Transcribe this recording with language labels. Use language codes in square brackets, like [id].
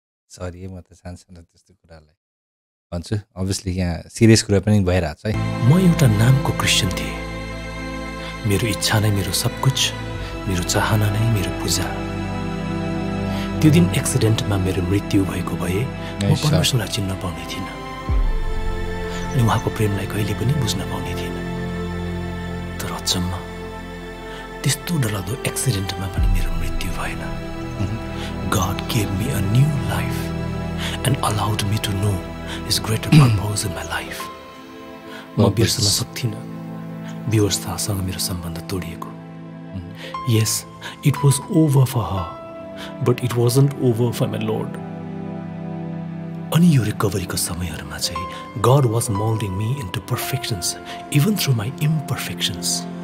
[ne] Sorry म त सानसानो त्यस्तो कुरालाई भन्छु. अभियसली यहाँ सिरियस कुरा पनि भइरहेछ है. म एउटा नामको क्रिस्चियन थिएँ. मेरो इच्छा नै मेरो सब कुछ. मेरो चाहना नै मेरो पूजा. त्यो दिन एक्सिडेन्टमा मेरो मृत्यु भएको भए म परमेश्वरलाई चिन्न पाउने थिइनँ अनि उहाँको प्रेमलाई कहिले पनि बुझ्न पाउने थिइनँ. तर अचम्म त्यस्तो डरलाग्दो एक्सिडेन्टमा पनि मेरो मृत्यु भएन. [en] God gave me a new life and allowed me to know His greater purpose in my life. [ne] म बिर्सन सक्थिनँ व्यवस्थासँग मेरो सम्बन्ध तोडिएको. [en] Yes, it was over for her, but it wasn't over for my Lord. [ne] अनि यो रिकभरीको समयहरूमा चाहिँ [en] God was molding me into perfections, even through my imperfections.